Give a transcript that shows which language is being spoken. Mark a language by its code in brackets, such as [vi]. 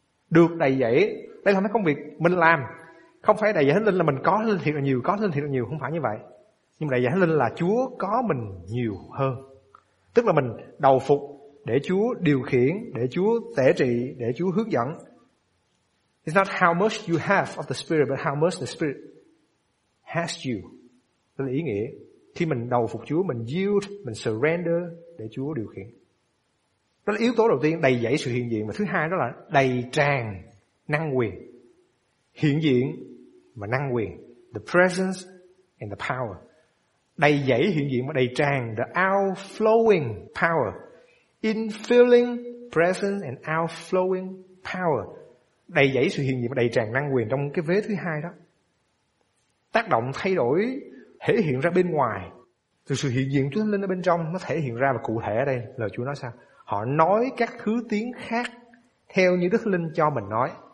[vi] Được đầy dẫy, đây là một cái công việc mình làm, không phải đầy dẫy Thánh Linh là mình có Thánh Linh thiệt là nhiều, có Thánh Linh thiệt là nhiều, không phải như vậy. Nhưng mà đầy dẫy Thánh Linh là Chúa có mình nhiều hơn, tức là mình đầu phục để Chúa điều khiển, để Chúa tể trị, để Chúa hướng dẫn. [en] It's not how much you have of the Spirit, but how much the Spirit has you. [vi] Đó là ý nghĩa. Khi mình đầu phục Chúa, mình [en] yield, [vi] mình [en] surrender [vi] để Chúa điều khiển. Đó là yếu tố đầu tiên, đầy dẫy sự hiện diện. Và thứ hai đó là đầy tràn năng quyền. Hiện diện và năng quyền. [en] The presence and the power. [vi] Đầy dẫy hiện diện và đầy tràn. [en] The outflowing power. Infilling presence and outflowing power. [vi] Đầy dẫy sự hiện diện và đầy tràn năng quyền trong cái vế thứ hai đó. Tác động thay đổi thể hiện ra bên ngoài. Từ sự hiện diện Chúa Thánh Linh ở bên trong, nó thể hiện ra và cụ thể ở đây. Lời Chúa nói sao? Họ nói các thứ tiếng khác theo như Đức Thánh Linh cho mình nói.